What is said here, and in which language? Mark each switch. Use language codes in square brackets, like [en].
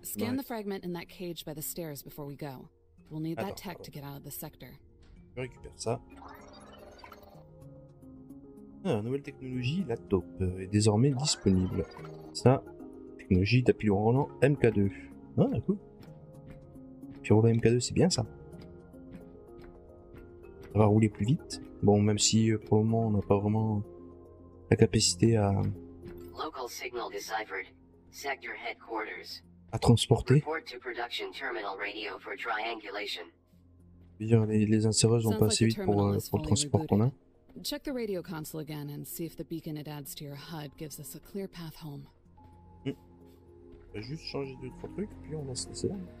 [en] scan bon, the fragment in that cage by the stairs before we go. We'll need that tech to get out of the sector. [fr] Je récupère ça. Ah, nouvelle technologie, la taupe, est désormais disponible. Ça, technologie tapis roulant MK2. Ah, d'accord. Tapis roulant MK2, c'est bien ça. Ça va rouler plus vite. Bon, même si pour le moment, on n'a pas vraiment la capacité à... [en] Local signal deciphered. Sector headquarters. [fr] À transporter. [en] Report to production terminal radio for triangulation. [fr] Je veux dire, les insérieuses vont pas assez vite pour le transport qu'on a. [en] Check the radio console again and see if the beacon it adds to your HUD gives us a clear path home. Mmh. [fr] Juste changer deux trois trucs puis on va se laisser là.